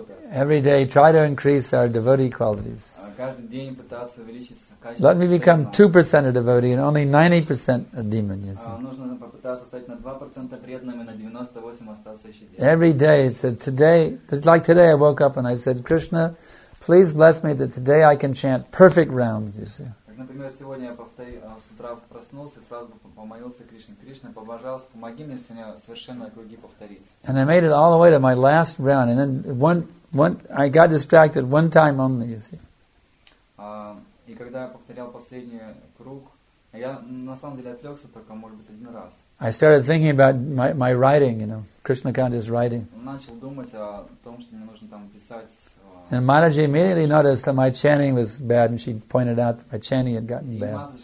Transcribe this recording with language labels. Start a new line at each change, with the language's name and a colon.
English: Every day try to increase our devotee qualities. Let me become 2% a devotee and only 90% a demon, you see. Every day, it's a today, it's like today I woke up and I said, Krishna, please bless me that today I can chant perfect rounds, you see.
Russian: Например, сегодня я с утра проснулся и сразу помолился Кришне. Кришна, пожалуйста, помоги мне сегодня совершенно круги повторить.
English: And I made it all the way to my last round, and then one I got distracted one time only, you see.
Russian: И когда я повторял последний круг, я на самом деле отвлекся только, может быть, один раз.
English: I started thinking about my writing, you know, Krishna Kanda's writing.
Russian: Начал думать о том, что мне нужно там писать.
English: And Mataji immediately noticed that my chanting was bad, and she pointed out that my chanting had gotten bad.